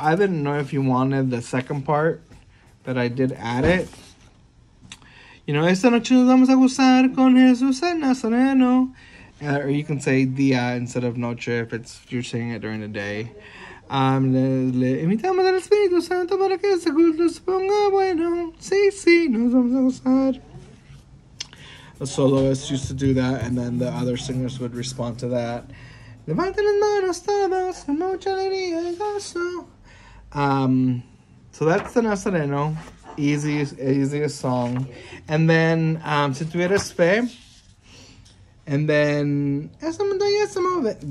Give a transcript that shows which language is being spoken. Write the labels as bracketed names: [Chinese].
[English] I didn't know if you wanted the second part, but I did add it. You know, [Spanish] esta noche nos vamos a gozar con Jesús en Nazareno. [English] Or you can say día instead of noche if it's you're saying it during the day. [Spanish] Le invitamos al Espíritu Santo para que ese culto se ponga bueno. Sí, sí, nos vamos a gozar. [English] The soloist used to do that, and then the other singers would respond to that. So that's the Nazareno, easiest song. And then, [Spanish] si tuvieras fe. And then, esa montaña se mueve.